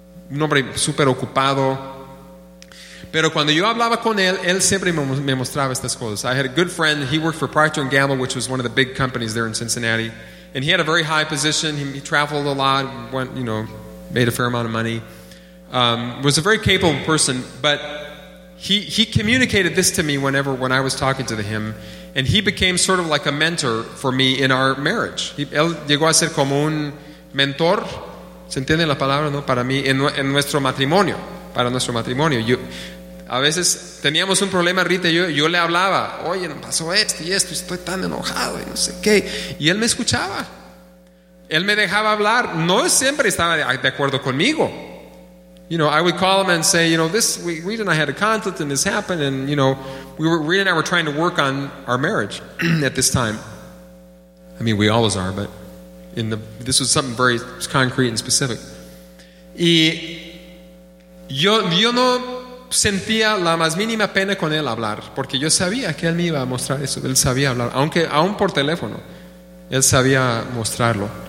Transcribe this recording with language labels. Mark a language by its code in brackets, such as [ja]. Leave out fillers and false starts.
[es] Un hombre súper ocupado. Pero cuando yo hablaba con él, él siempre me mostraba estas cosas. [en] I had a good friend. He worked for Procter & Gamble, which was one of the big companies there in Cincinnati. And he had a very high position. He traveled a lot, made a fair amount of money. Was a very capable person. But he communicated this to me when I was talking to him. And he became sort of like a mentor for me in our marriage. [es] Él llegó a ser como un mentor, ¿se entiende la palabra, no? Para mí, en nuestro matrimonio. Para nuestro matrimonio. Yo, a veces teníamos un problema, Rita y yo le hablaba, oye, me pasó esto y esto, estoy tan enojado y no sé qué. Y él me escuchaba. Él me dejaba hablar. No siempre estaba de acuerdo conmigo. [en] You know, I would call him and say, you know, this, Reed and I had a conflict and this happened and, you know, Reed and I were trying to work on our marriage at this time. I mean, we always are, but this was something very concrete and specific. [es] Y yo no sentía la más mínima pena con él hablar, porque yo sabía que él me iba a mostrar eso. Él sabía hablar, aunque aún por teléfono, él sabía mostrarlo.